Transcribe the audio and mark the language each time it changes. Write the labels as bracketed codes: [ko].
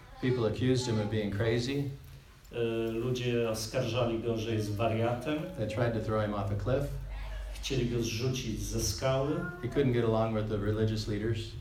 [en] People accused him of being crazy. [pl] Ludzie oskarżali go, że jest wariatem. [en] They tried to throw him off a cliff. [pl] Chcieli go zrzucić ze skały. [en] He couldn't get along with the religious leaders.